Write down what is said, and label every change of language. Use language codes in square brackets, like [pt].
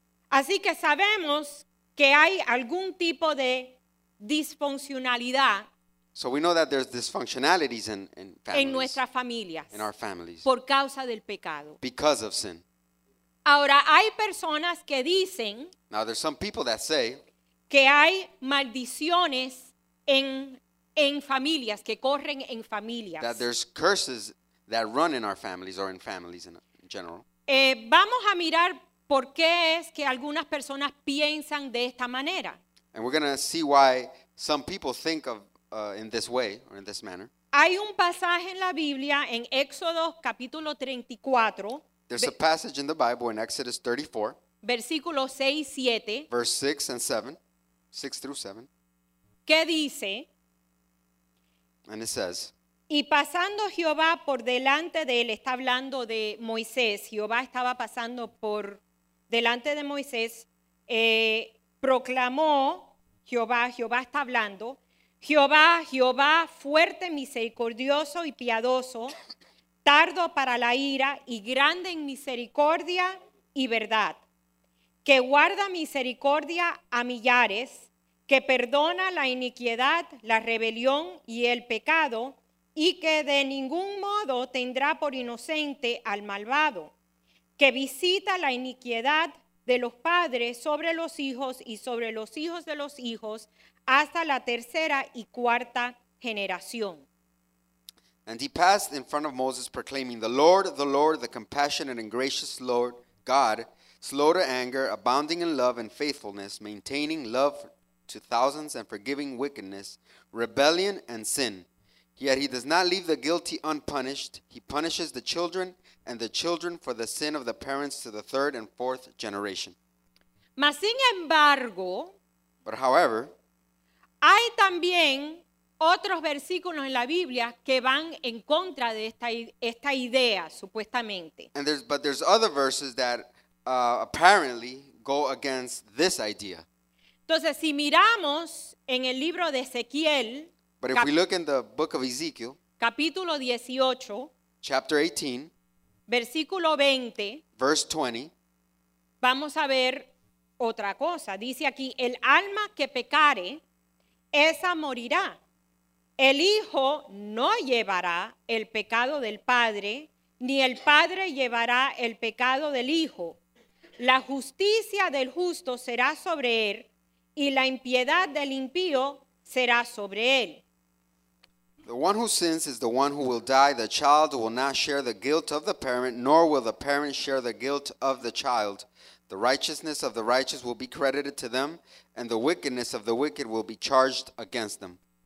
[es] Así que sabemos que hay algún tipo de disfuncionalidad. [en] So we know that there's dysfunctionalities in families. [es] En nuestras familias. [en] In our families. [es] Por causa del pecado. [en] Because of sin. [es] Ahora, hay personas que dicen. [en] Now there's some people that say. [es] Que hay maldiciones en familias, que corren en familias. [en] That there's curses that run in our families or in families in general. [es] Vamos a mirar por qué es que algunas personas piensan de esta manera. [en] And we're going to see why some people think of in this way or in this manner. [es] Hay un pasaje en la Biblia en Éxodo capítulo 34. [en] There's a passage in the Bible in Exodus 34. [es] Versículo 6 y 7. [en] Verse 6 and 7. 6 through 7. [es] ¿Qué dice? [en] And it says. [es] Y pasando Jehová por delante de él, está hablando de Moisés. Jehová estaba pasando por delante de Moisés, proclamó Jehová está hablando. Jehová, fuerte, misericordioso y piadoso, tardo para la ira y grande en misericordia y verdad, que guarda misericordia a millares, que perdona la iniquidad, la rebelión y el pecado, y que de ningún modo tendrá por inocente al malvado, que visita la iniquidad de los padres sobre los hijos y sobre los hijos de los hijos hasta la tercera y cuarta generación. [en] And he passed in front of Moses, proclaiming, the Lord, the compassionate and gracious Lord God, slow to anger, abounding in love and faithfulness, maintaining love to thousands and forgiving wickedness, rebellion, and sin. Yet he does not leave the guilty unpunished. He punishes the children and the children for the sin of the parents to the third and fourth generation. [es] Mas sin embargo, [en] but however, [es] hay también otros versículos en la Biblia que van en contra de esta idea, supuestamente. [en] And there's other verses that apparently go against this idea. [es] Entonces, si miramos en el libro de Ezequiel, [en] but if we look in the book of Ezekiel, [es] capítulo 18, [en] chapter 18, [es] versículo 20, [en] verse 20, [es] vamos a ver otra cosa. Dice aquí, el alma que pecare, esa morirá. El hijo no llevará el pecado del padre, ni el padre llevará el pecado del hijo. La justicia del justo será sobre él, y la impiedad del impío será sobre él. [en] The one who sins is the one who will die. The child will not share the guilt of the parent, nor will the parent share the guilt of the child. The righteousness of the righteous will be credited to them, and the wickedness of the wicked will be charged against them.